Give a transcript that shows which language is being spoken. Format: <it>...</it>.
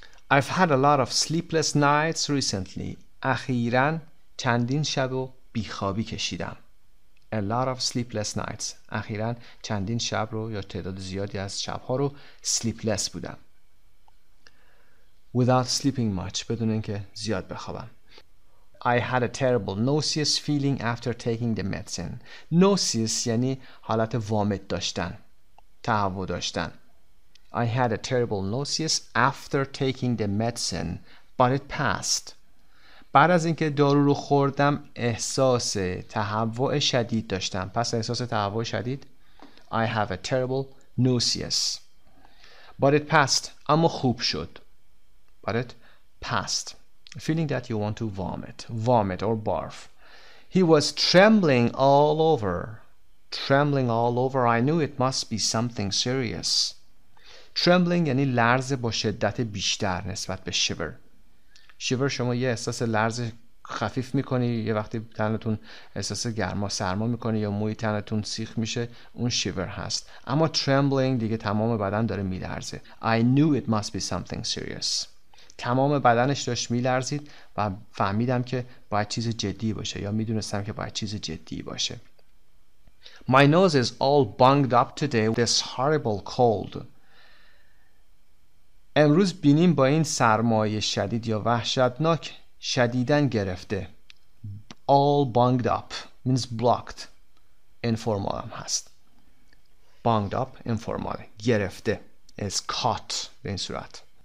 <en>I've had a lot of sleepless nights recently.</en> <fa>اخیراً چندین شب و بیخوابی کشیدم.</fa> <en>A lot of sleepless nights.</en> <fa>اخیراً چندین شب رو یا تعداد زیادی از شبها رو sleepless بودم.</fa> <en>Without sleeping much.</en> <fa>بدون اینکه زیاد بخوابم.</fa> <en>I had a terrible nauseous feeling after taking the medicine.</en> <fa>Nauseous یعنی حالت وامت داشتن، تهوع داشتن.</fa> <en>I had a terrible nauseous after taking the medicine, but it passed.</en> <fa>بعد از اینکه دارو رو خوردم احساس تهوع شدید داشتم. پس احساس تهوع شدید.</fa> <en>I have a terrible nauseous. But it passed.</en> <fa>اما خوب شد.</fa> <en>But it passed. Feeling that you want to vomit. Vomit or barf. He was trembling all over. Trembling all over. I knew it must be something serious.</en> <fa>Trembling یعنی لرز با شدت بیشتر نسبت به shiver. Shiver شما یه احساس لرز خفیف میکنی، یه وقتی تنتون احساس گرما سرما میکنی یا موی تنتون سیخ میشه، اون shiver هست. اما trembling دیگه تمام بدن داره میلرزه.</fa> <en>I knew it must be something serious.</en> <fa>تمام بدنش داشت می‌لرزید و فهمیدم که باید چیز جدی باشه یا می‌دونستم که باید چیز جدی باشه.</fa> <en>My nose is all bunged up today with this horrible cold.</en> <fa>امروز بینیم با این سرمایه شدید یا وحشتناک شدیداً گرفته.</fa> <en>All bunged up means blocked. Informal</en> <fa>هم هست.</fa> <en>Bunged up, informal. گرفته. Is caught</en> <fa>به این صورت.</fa>